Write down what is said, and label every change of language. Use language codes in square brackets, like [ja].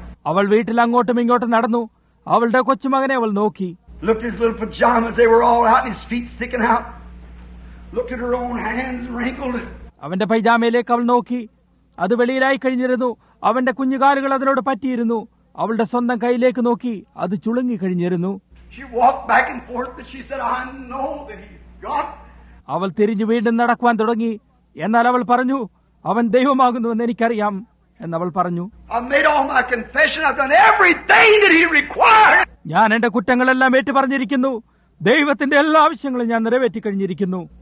[ml] അവൾ വീട്ടിൽ അങ്ങോട്ടും ഇങ്ങോട്ടും നടന്നു. അവളുടെ കൊച്ചുമകനെ അവൾ നോക്കി. [en] Looked at his little pajamas, they were all out and his feet sticking out. Looked at her own hands wrinkled. [ml] അവന്റെ പൈജാമയിലേക്ക് അവൾ നോക്കി. അത് വെളിയിലായി കഴിഞ്ഞിരുന്നു. അവന്റെ കുഞ്ഞുകാലുകൾ അതിനോട് പറ്റിയിരുന്നു. അവളുടെ സ്വന്തം കൈയിലേക്ക് നോക്കി, അത് ചുളുങ്ങി കഴിഞ്ഞിരുന്നു. [en] She walked back and forth but she said, I know that he's God. [ml] അവൾ തിരിഞ്ഞു വീണ്ടും നടക്കുവാൻ തുടങ്ങി. എന്നാൽ അവൾ പറഞ്ഞു, അവൻ ദൈവമാകുന്നുവെന്ന് എനിക്കറിയാം എന്നവൾ പറഞ്ഞു. [en] I made all my confession. I've done everything that he required. [ml] ഞാൻ എന്റെ കുറ്റങ്ങളെല്ലാം ഏറ്റു പറഞ്ഞിരിക്കുന്നു. ദൈവത്തിന്റെ എല്ലാ ആവശ്യങ്ങളും ഞാൻ നിറവേറ്റി കഴിഞ്ഞിരിക്കുന്നു.